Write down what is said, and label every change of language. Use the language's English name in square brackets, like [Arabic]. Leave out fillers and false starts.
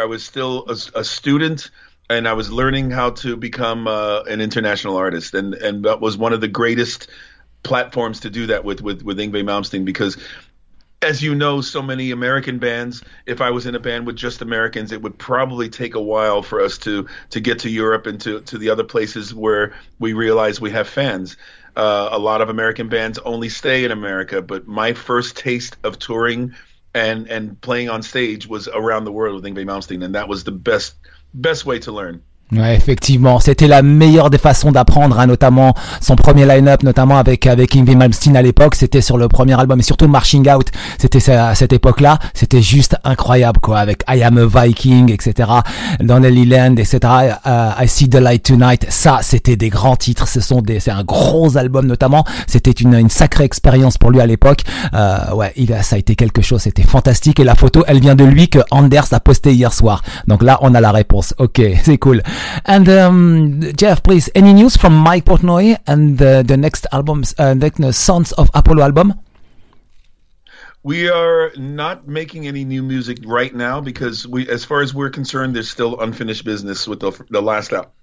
[English] I was still a student, and I was learning how to become an international artist, and that was one of the greatest platforms to do that with Yngwie Malmsteen, because as you know, so many American bands, if I was in a band with just Americans, it would probably take a while for us to get to Europe and to the other places where we realize we have fans. A lot of American bands only stay in America, but my first taste of touring and playing on stage was around the world with Yngwie Malmsteen, and that was the best way to learn. [French] Ouais, effectivement, c'était la meilleure des façons d'apprendre, hein, notamment son premier line-up, notamment avec Yngwie Malmsteen à l'époque, c'était sur le premier album, et surtout Marching Out, c'était à cette époque-là, c'était juste incroyable, quoi, avec I Am a Viking, etc., Don't Let It Land, etc., I See the Light Tonight, ça, c'était des grands titres, c'est un gros album, notamment, c'était une sacrée expérience pour lui à l'époque, ça a été quelque chose, c'était fantastique, et la photo, elle vient de lui que Anders a posté hier soir. Donc là, on a la réponse. Ok, c'est cool. [English] And Jeff, please, any news from Mike Portnoy and the next album, the Sons of Apollo album? We are not making any new music right now because, we, as far as we're concerned, there's still unfinished business with the last album.